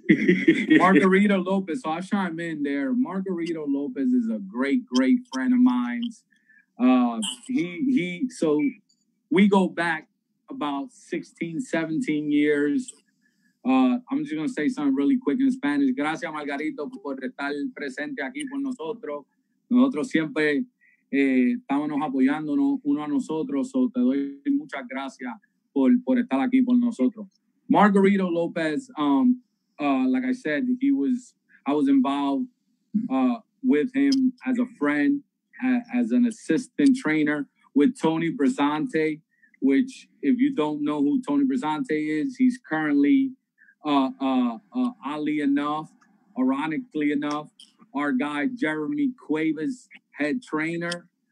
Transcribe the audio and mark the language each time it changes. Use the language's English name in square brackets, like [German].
[English] Margarito Lopez, so I'll chime in there. Margarito Lopez is a great, great friend of mine. So we go back about 16, 17 years. I'm just going to say something really quick in Spanish. [Spanish] Gracias, Margarito, por estar presente aquí con nosotros. Nosotros siempre estábamos apoyándonos uno a nosotros. So te doy muchas gracias por estar aquí con nosotros. [English] Margarito Lopez, like I said, I was involved with him as a friend, as an assistant trainer with Tony Brisante, which, if you don't know who Tony Brisante is, he's currently oddly enough, ironically enough, our guy Jeremy Cuevas' head trainer.